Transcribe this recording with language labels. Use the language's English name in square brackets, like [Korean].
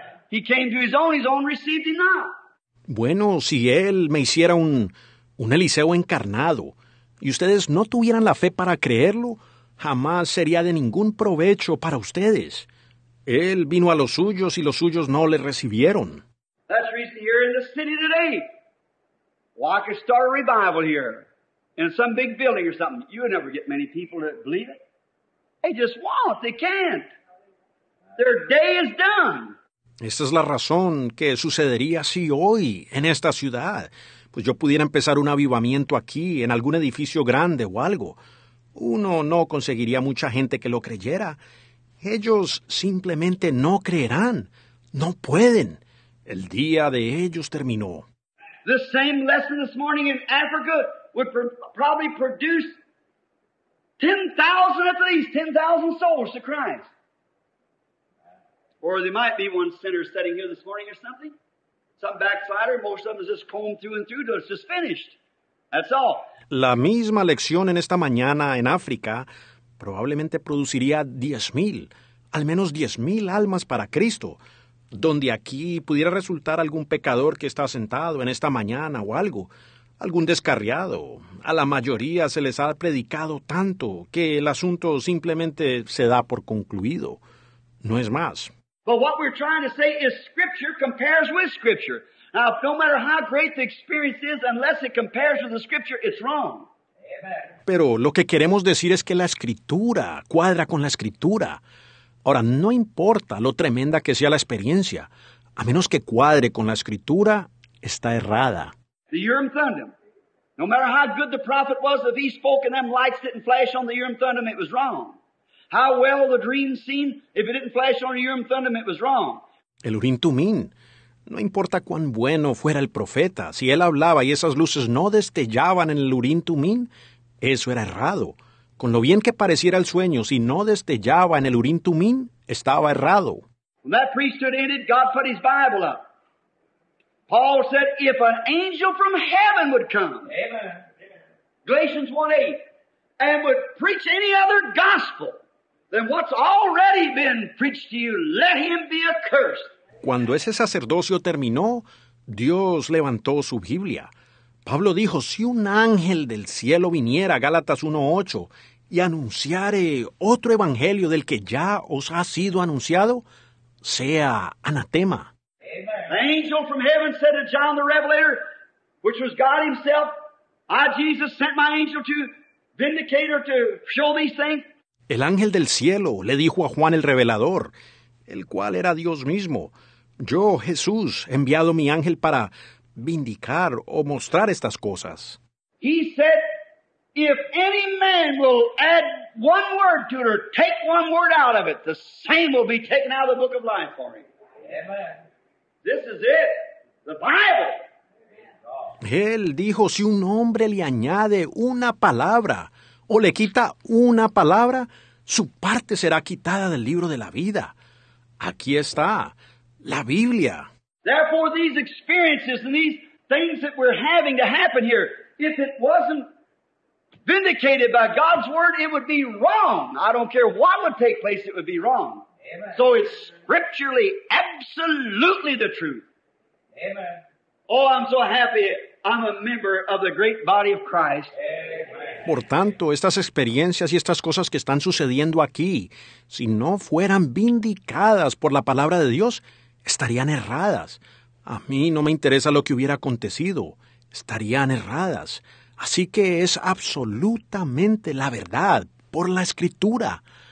[English] He came to his own received him not. [Spanish] Bueno, si él me hiciera un Eliseo encarnado y ustedes no tuvieran la fe para creerlo, jamás sería de ningún provecho para ustedes. Él vino a los suyos y los suyos no le recibieron. [English] That's the reason here in the city today. Well, I could start a revival here in some big building or something. You would never get many people to believe it. They just won't. They can't. Their day is done. [Spanish] Esta es la razón que sucedería así hoy en esta ciudad. Pues yo pudiera empezar un avivamiento aquí, en algún edificio grande o algo. Uno no conseguiría mucha gente que lo creyera. Ellos simplemente no creerán. No pueden. El día de ellos terminó. [English] The same lesson this morning in Africa would probably produce 10,000 at least, 10,000 souls to Christ. Or there might be one sinner sitting here this morning or something. Some backslider, most of them is just combed through and through till it's just finished. That's all. [Spanish] La misma lección en esta mañana en África probablemente produciría 10,000, al menos 10,000 almas para Cristo, donde aquí pudiera resultar algún pecador que está sentado en esta mañana o algo, algún descarriado. A la mayoría se les ha predicado tanto que el asunto simplemente se da por concluido. No es más. [English] But what we're trying to say is scripture compares with scripture. Now, no matter how great the experience is, unless it compares with the scripture, it's wrong. [Spanish] Pero lo que queremos decir es que la escritura cuadra con la escritura. Ahora, no importa lo tremenda que sea la experiencia, a menos que cuadre con la escritura, está errada. [English] The Urim Thummim. No matter how good the prophet was, if he spoke and them lights didn't flash on the Urim Thummim, it was wrong. How well the dream seen, if it didn't flash on the Urim Thummim, it was wrong. [Spanish] El Urim Thummim. No importa cuán bueno fuera el profeta, si él hablaba y esas luces no destellaban en el Urim Tumim, eso era errado. Con lo bien que pareciera el sueño, si no destellaba en el Urim Tumim, estaba errado. [English] When that priesthood ended, God put his Bible up. Paul said, if an angel from heaven would come, Amen. Galatians 1:8, and would preach any other gospel than what's already been preached to you, let him be accursed. [Spanish] Cuando ese sacerdocio terminó, Dios levantó su Biblia. Pablo dijo, si un ángel del cielo viniera, Gálatas 1:8, y anunciare otro evangelio del que ya os ha sido anunciado, sea anatema. Amen. [English] The angel from heaven said to John the Revelator, which was God himself, I, Jesus, sent my angel to vindicate or to show these things. [Spanish] El ángel del cielo le dijo a Juan el Revelador, el cual era Dios mismo, yo, Jesús, he enviado mi ángel para vindicar o mostrar estas cosas. [English] He said, if any man will add one word to it or take one word out of it, the same will be taken out of the book of life for him. Amen. This is it, the Bible. [Spanish] Él dijo, si un hombre le añade una palabra o le quita una palabra, su parte será quitada del libro de la vida. Aquí está, la Biblia. [English] Therefore, these experiences and these things that we're having to happen here, if it wasn't vindicated by God's word, it would be wrong. I don't care what would take place, it would be wrong. Amen. So it's scripturally, absolutely the truth. Amen. Oh, I'm so happy I'm a member of the great body of Christ. [Spanish] Por tanto, estas experiencias y estas cosas que están sucediendo aquí, si no fueran vindicadas por la palabra de Dios, estarían erradas. A mí no me interesa lo que hubiera acontecido. Estarían erradas. Así que es absolutamente la verdad por la Escritura.